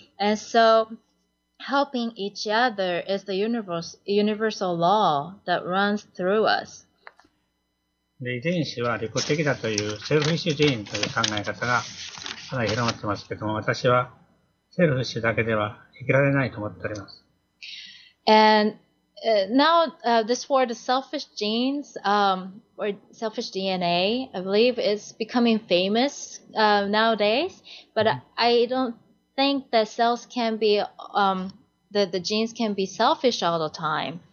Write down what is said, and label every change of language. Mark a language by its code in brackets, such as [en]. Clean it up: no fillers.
[en] And so, helping each other is the universal law that runs through us. [ja] で、遺伝子は利己的だというセルフィッシュ・ジーンという考え方がかなり広まってますけども、私はセルフィッシュだけでは生きられないと思っております。 [en] And, now, this word selfish genes, or selfish DNA, I believe is becoming famous, nowadays, but I don't think that cells can be, the genes can be selfish all the time.